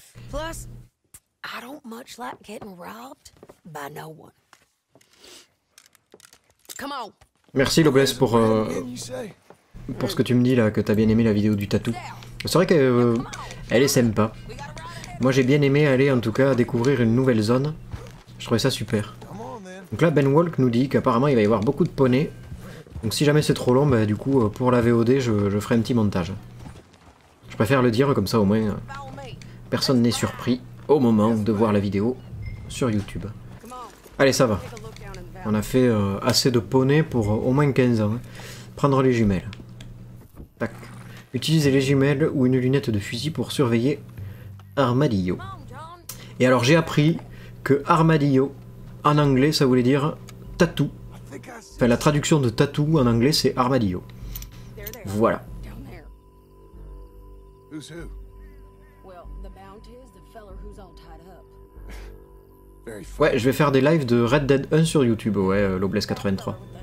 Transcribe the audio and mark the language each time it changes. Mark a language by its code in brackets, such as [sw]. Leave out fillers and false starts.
[en] Plus, I don't much like getting robbed by no one. Come on. [fr] Merci Loblesse pour ce que tu me dis là, que t'as bien aimé la vidéo du tatou. C'est vrai qu'elle est sympa. Moi j'ai bien aimé aller en tout cas découvrir une nouvelle zone. Je trouvais ça super. Donc là Ben Walk nous dit qu'apparemment il va y avoir beaucoup de poney. Donc si jamais c'est trop long, bah, du coup pour la VOD je ferai un petit montage. Je préfère le dire comme ça au moins personne n'est surpris au moment de voir la vidéo sur YouTube. Allez ça va. On a fait assez de poney pour au moins 15 ans. Prendre les jumelles. Tac. Utiliser les jumelles ou une lunette de fusil pour surveiller Armadillo. Et alors j'ai appris que Armadillo, en anglais, ça voulait dire tatou. Enfin, la traduction de tatou en anglais, c'est Armadillo. Voilà. [en] Who's who? Well, the bounty is the feller who's all tied up. [fr] Ouais, je vais faire des lives de Red Dead 1 sur YouTube, ouais, Loblesse83.